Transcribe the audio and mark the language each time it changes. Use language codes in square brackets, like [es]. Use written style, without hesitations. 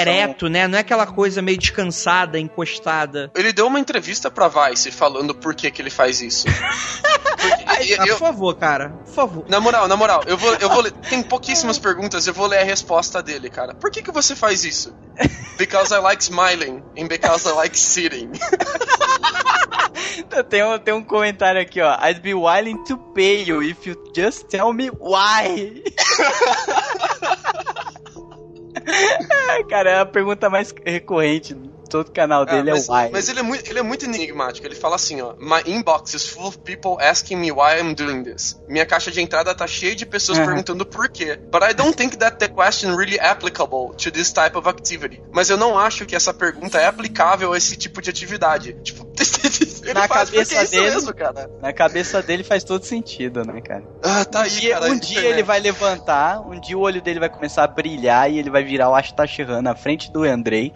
[pt] Ereto, né? Não é aquela coisa meio descansada, encostada. Ele deu uma entrevista pra Vice falando por que que ele faz isso. Por favor, cara. Por favor. Na moral, eu vou ler. Tem pouquíssimas perguntas, eu vou ler a resposta dele, cara. Por que que você faz isso? [en] Because I like smiling and because I like sitting. [pt] Tem um comentário aqui, ó. [en] I'd be willing to pay you if you just tell me why. [pt] Cara, é a pergunta mais recorrente todo canal dele, mas, é why. Mas ele é muito enigmático. Ele fala assim, ó: [en] my inbox is full of people asking me why I'm doing this. [pt] Minha caixa de entrada tá cheia de pessoas perguntando por quê. [en] But I don't think that the question really applicable to this type of activity. [pt] Mas eu não acho que essa pergunta é aplicável a esse tipo de atividade. Tipo, ele na faz cabeça isso dele, mesmo, cara. Na cabeça dele faz todo sentido, né, cara? Ah, tá aí, cara. Um dia ele vai levantar, um dia o olho dele vai começar a brilhar e ele vai virar o Ashtashiran na frente do Andrei.